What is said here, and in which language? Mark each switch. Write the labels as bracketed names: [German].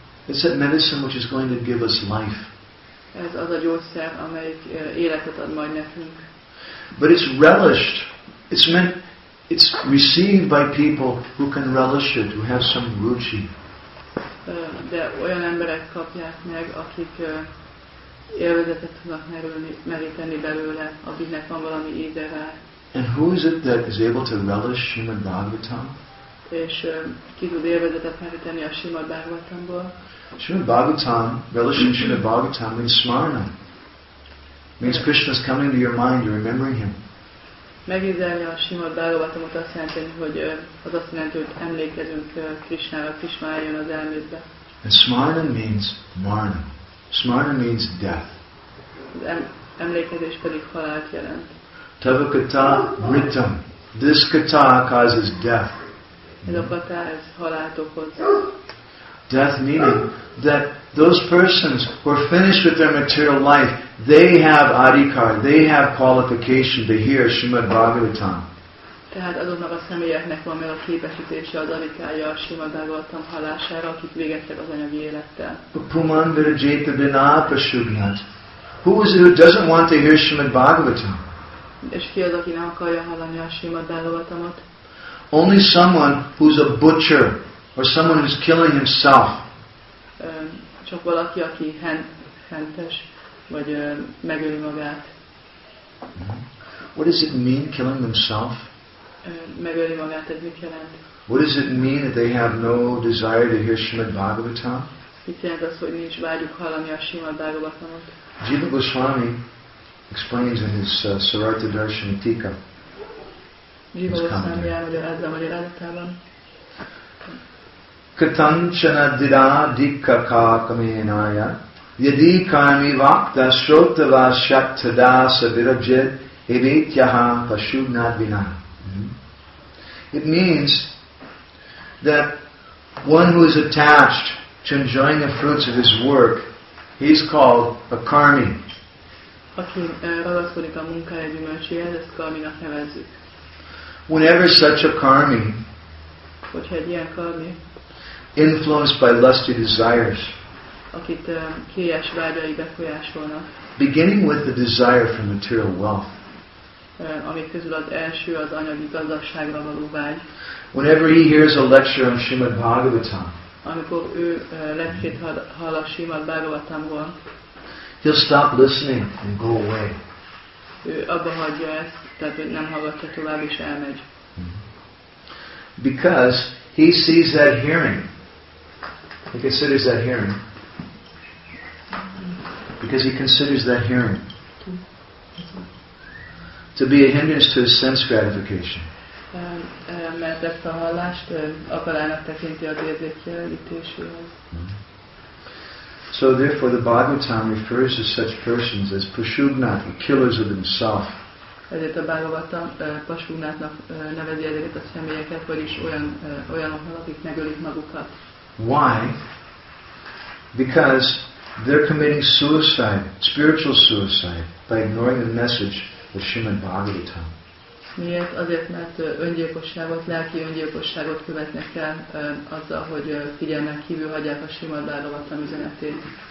[English] It's a medicine which is going to give us life. [Hungarian] Ez az a gyógyszer, amelyik életet ad majd nekünk. [English] But it's relished. It's meant, it's received by people who can relish it, who have some ruchi. [Hungarian] De olyan emberek kapják meg, akik élvezetet tudnak meríteni belőle, akiknek van valami íze rá. [English] And who is it that is able to relish Srimad Bhagavatam? [Hungarian] És ki tud élvezetet meríteni a Srimad Bhagavatamból? [English] Srimad Bhagavatam, relishing Srimad Bhagavatam means smarana. Means Krishna is coming to your mind, you're remembering him. [Hungarian] Megízelni a Srimad Bhagavatamot azt jelenti, hogy az azt jelenti, hogy emlékezünk Krishnára, Krishna eljön az elmédbe. [English] And smarana means marna. Smarana means death. [Hungarian] Emlékezés pedig halált jelent. [Sanskrit] Tava kata mritam. [English] This kata causes death. [Hungarian] Ez a kata, ez halált okoz. [English] Death meaning that those persons who are finished with their material life, they have adhikar, they have qualification to hear Srimad Bhagavatam. [Hungarian] Tehát azoknak a személyeknek van meg a képesítése az adhikárja a Srimad Bhagavatam hallására, akik végeztek az anyagi élettel. [Sanskrit] Puman virajeta bina pasugnat. [English] Who is it who doesn't want to hear Srimad Bhagavatam? [Hungarian] És ki az, aki nem akarja hallani a Srimad Bhagavatamot? [English] Only someone who's a butcher, or someone who's killing himself. [Hungarian] Csak valaki, aki hentes, vagy megöli magát. [English] What does it mean killing themselves? [Hungarian] Megöli magát, ez mit jelent? [English] What does it mean that they have no desire to hear Srimad Bhagavatam? [Hungarian] Mit jelent az, hogy nincs vágyuk hallani a Srimad Bhagavatamot? [English] Jiva Goswami explains in his Sarartha Darshan Tika. [Hungarian] Jiva Goswami elmagyarázza a magyarázatában. [Sanskrit] Katanchana dida dikka ka kamenaya yadi kami vakta shrota va shatada savirajit evityaha pashuna vina. [English] It means that one who is attached to enjoying the fruits of his work, he's called a karmi. [Hungarian] Aki ragaszkodik a munkája gyümölcséhez, ezt karminak nevezzük. [English] Whenever such a karmi, [Hungarian] hogyha egy ilyen karmi, [English] influenced by lusty desires, [Hungarian] akit kéjes vágyai befolyásolnak, [English] beginning with the desire for material wealth, [Hungarian] amik közül az első az anyagi gazdagságra való vágy, [English] whenever he hears a lecture on Srimad Bhagavatam, [Hungarian] amikor ő lecsét hall a Srimad Bhagavatamról, [English] he'll stop listening and go away. [Hungarian] Ő abba hagyja ezt, tehát ő nem hallgatja tovább és elmegy. [English] Because he sees that hearing, he considers that hearing, because he considers that hearing to be a hindrance to his sense gratification. [Hungarian] Mert ezt a hallást akadálynak tekinti az érzékjelenítéséhez. [English] So therefore the Bhagavatam refers to such persons as Pashugna, the killers of himself. [Hungarian] Ezért a Bhagavatam Pashugnátnak nevezi ezeket a személyeket, vagyis olyanoknak, akik megölik magukat. [English] Why? Because they're committing suicide, spiritual suicide, by ignoring the message of Srimad Bhagavatam. [Hungarian] Miért? Azért, mert öngyilkosságot, lelki öngyilkosságot követnek el azzal, hogy figyelmen kívül hagyják a Srimad Bhagavatam üzenetét.